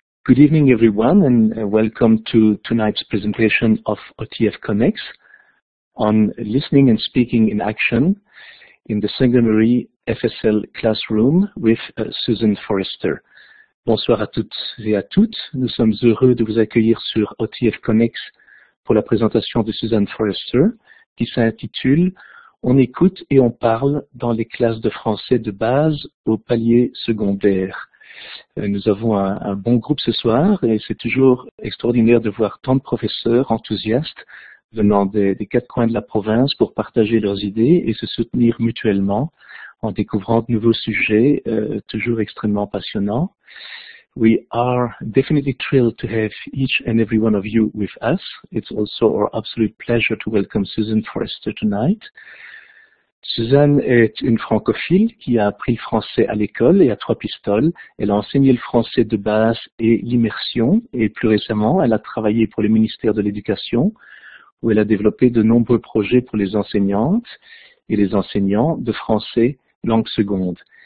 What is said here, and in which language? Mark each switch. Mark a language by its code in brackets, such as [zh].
[en] Good evening, everyone, and welcome to tonight's presentation of OTF Connex on listening and speaking in action in the Saint-Gonnery FSL classroom with Susan Forrester. [fr] Bonsoir à toutes et à toutes. Nous sommes heureux de vous accueillir sur OTF Connex pour la présentation de Susan Forrester qui s'intitule On écoute et on parle dans les classes de français de base au palier secondaire. Nous avons un bon groupe ce soir et c'est toujours extraordinaire de voir tant de professeurs enthousiastes venant des quatre coins de la province pour partager leurs idées et se soutenir mutuellement en découvrant de nouveaux sujets toujours extrêmement passionnants. [en] We are definitely thrilled to have each and every one of you with us. It's also our absolute pleasure to welcome Susan Forrester tonight. [fr] Suzanne est une francophile qui a appris le français à l'école et à Trois-Pistoles. Elle a enseigné le français de base et l'immersion. Et plus récemment, elle a travaillé pour le ministère de l'Éducation, où elle a développé de nombreux projets pour les enseignantes et les enseignants de français langue seconde.